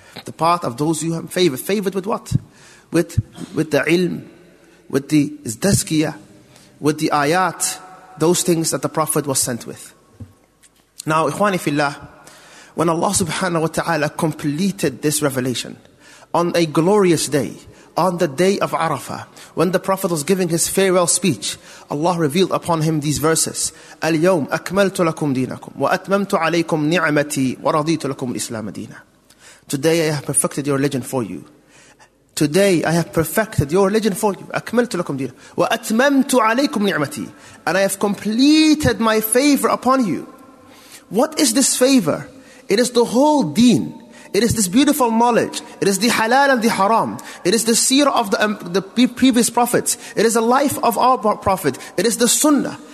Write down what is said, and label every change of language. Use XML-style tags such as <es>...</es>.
<en>The path of those you have favored. Favored with what? With the ilm, with the izdaskiyah, with the ayat, those things that the Prophet was sent with. Now, ikhwani fillah, when Allah subhanahu wa ta'ala completed this revelation, on a glorious day, on the day of Arafah, when the Prophet was giving his farewell speech, Allah revealed upon him these verses.</en> <ar>اليوم أكملت لكم دينكم وأتممت عليكم نعمتي ورضيت لكم الإسلام دينا.</ar> <en>Today I have perfected your religion for you. Today I have perfected your religion for you.</en> <ar>أكملت لكم دينكم وأتممت عليكم نعمتي.</ar> <en>And I have completed my favor upon you. What is this favor? It is the whole deen. It is this beautiful knowledge. It is the halal and the haram. It is the seerah of the previous prophets. It is the life of our prophet. It is the sunnah.</en>